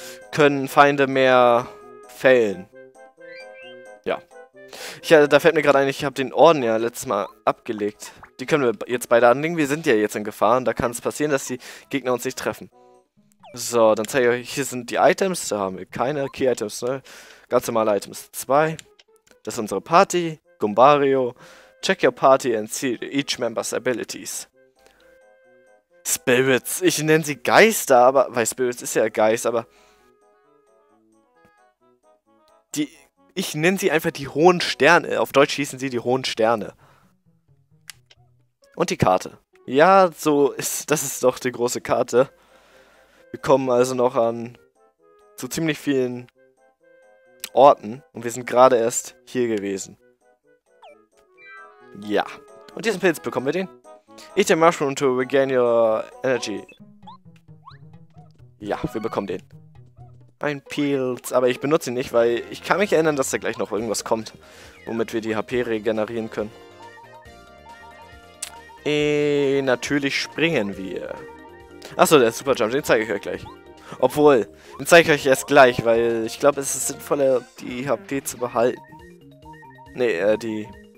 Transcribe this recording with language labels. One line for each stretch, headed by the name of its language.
German: können Feinde mehr fällen. Ja. Da fällt mir gerade ein, ich habe den Orden ja letztes Mal abgelegt. Die können wir jetzt beide anlegen. Wir sind ja jetzt in Gefahr und da kann es passieren, dass die Gegner uns nicht treffen. So, dann zeige ich euch, hier sind die Items. Da haben wir keine Key-Items, ne? Ganz normale Items 2. Das ist unsere Party. Gumbario.
English: Check your party and see each member's abilities. Spirits.
German: Ich nenne sie Geister, aber... Weil Spirits ist ja Geist, aber... Die... Ich nenne sie einfach die hohen Sterne. Auf Deutsch hießen sie die hohen Sterne. Und die Karte. Ja, so ist... Das ist doch die große Karte. Wir kommen also noch an... zu ziemlich vielen... Orten. Und wir sind gerade erst hier gewesen. Ja. Und diesen Pilz bekommen wir den.
English: Eat a mushroom to regain your energy.
German: Ja, wir bekommen den. Ein Pilz. Aber ich benutze ihn nicht, weil ich kann mich erinnern, dass da gleich noch irgendwas kommt, womit wir die HP regenerieren können. Natürlich springen wir. Achso, der Super Jump, den zeige ich euch gleich. Obwohl, den zeige ich euch erst gleich, weil ich glaube, es ist sinnvoller, die HP zu behalten. Nee, die...